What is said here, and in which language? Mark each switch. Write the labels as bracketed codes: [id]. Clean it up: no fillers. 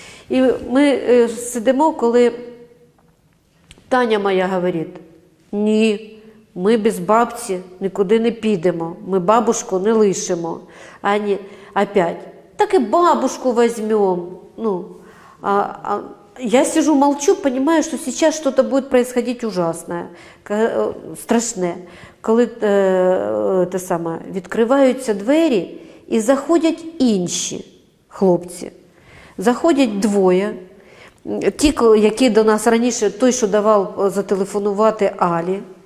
[uk] І ми сидимо, коли Таня моя говорить: ні, ми без бабці нікуди не підемо, ми бабушку не лишимо. Ані, опять, [ru] так и бабушку возьмем. Ну, я сижу, молчу, понимаю, что сейчас что-то будет происходить ужасное, страшное. [uk] Коли [ru] это самое, [uk] відкриваються двери [ru] и заходят [uk] інші хлопці. Заходять двоє. Ті, які до нас раніше, той, що давав зателефонувати Алі.